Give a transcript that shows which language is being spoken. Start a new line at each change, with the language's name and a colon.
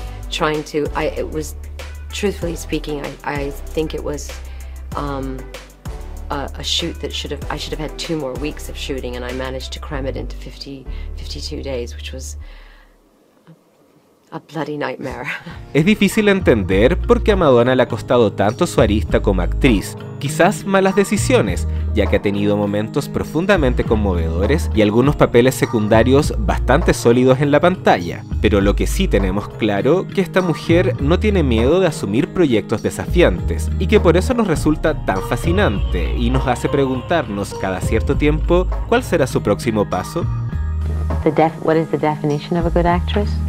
English: I should have had two more weeks of shooting, and I managed to cram it into 52 days, which was a bloody nightmare.
Spanish: Es difícil entender por qué a Madonna le ha costado tanto su arista como actriz. Quizás malas decisiones, ya que ha tenido momentos profundamente conmovedores y algunos papeles secundarios bastante sólidos en la pantalla. Pero lo que sí tenemos claro, que esta mujer no tiene miedo de asumir proyectos desafiantes, y que por eso nos resulta tan fascinante y nos hace preguntarnos cada cierto tiempo cuál será su próximo paso.
English: What is the definition of a good actress?